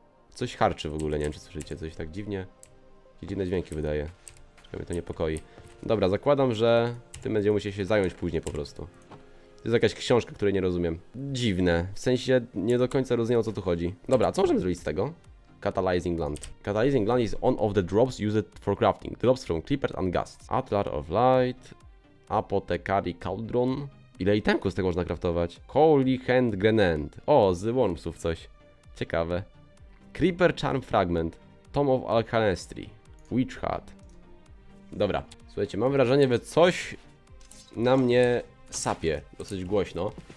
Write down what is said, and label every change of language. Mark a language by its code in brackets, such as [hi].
[pl] Coś harczy w ogóle, nie wiem, czy słyszycie. Coś tak dziwnie. Dziwne dźwięki wydaje. Trochę mnie to niepokoi. Dobra, zakładam, że tym będziemy musieli się zająć później po prostu. To jest jakaś książka, której nie rozumiem. Dziwne. W sensie nie do końca rozumiem, o co tu chodzi. Dobra, a co możemy zrobić z tego? [en] Catalyzing Land. Catalyzing Land is one of the drops used for crafting. Drops from Creepers and Ghasts. Atlar of Light. Apothecary Cauldron. [pl] Ile itemku z tego można craftować? Holy Hand Grenade. O, z Wormsów coś. Ciekawe. [en] Creeper Charm Fragment. Tome of Alchemy. Witch Hat. [pl] Dobra. Słuchajcie, mam wrażenie, że coś na mnie... sapie dosyć głośno.